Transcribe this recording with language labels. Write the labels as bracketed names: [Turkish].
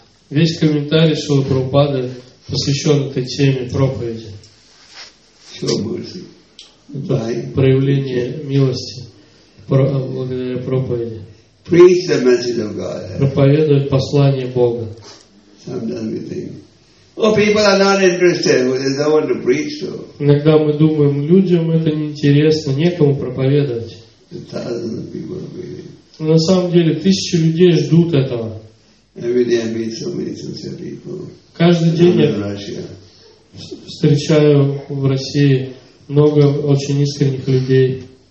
[Russian] Весь комментарий Шрилы Прабхупады посвящен этой теме проповеди. Это проявление милости благодаря проповеди. [English] Preach the message of God. [Russian] Проповедует послание Бога. [English] Sometimes we think, oh, people are not interested. There's no one to preach to. [Russian] Иногда мы думаем, людям это неинтересно, некому проповедовать. [English] The thousands of people are waiting. [Russian] На самом деле, тысячи людей ждут этого. [English] Every day I meet so many sincere people. [Russian] Каждый день я встречаю в России много очень искренних людей.